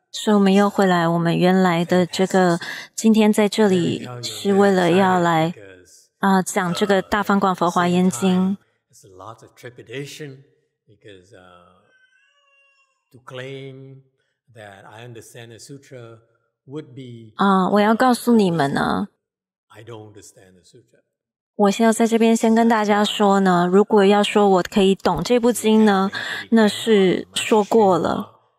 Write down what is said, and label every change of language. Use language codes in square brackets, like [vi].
[zh] 所以我们又回来，我们原来的这个今天在这里是为了要来讲这个《大方广佛华严经》。 [en] It's a lot of trepidation because to claim that I understand the sutra would be [zh] 我要告诉你们呢 [en] ，I don't understand the sutra。 [zh] 我现在在这边先跟大家说呢，如果要说我可以懂这部经呢，那是说过了。